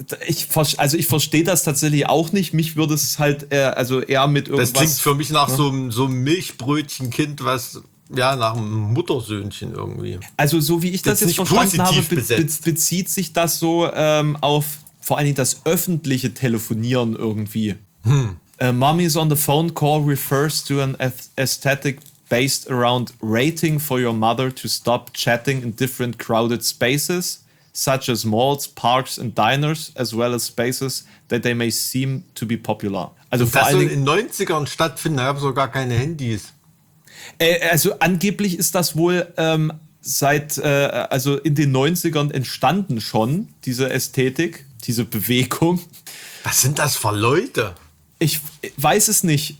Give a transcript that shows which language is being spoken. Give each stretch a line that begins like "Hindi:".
German: Ich verstehe das tatsächlich auch nicht. Mich würde es halt eher mit irgendwas... Das klingt für mich nach so einem Milchbrötchenkind, was... Ja, nach einem Muttersöhnchen irgendwie. Also so wie ich das jetzt verstanden habe, bezieht sich das so auf vor allen Dingen das öffentliche Telefonieren irgendwie.
English: Mommy's on the phone call refers to an aesthetic based around waiting for your mother to stop chatting in different crowded spaces, such as malls, parks and diners, as well as spaces that they may seem to be popular.
German: Also vor allen Dingen, in 90ern stattfinden, da haben sie gar keine Handys. Also angeblich ist das wohl seit in den 90ern entstanden schon, diese Ästhetik, diese Bewegung. Was sind das für Leute? Ich weiß es nicht.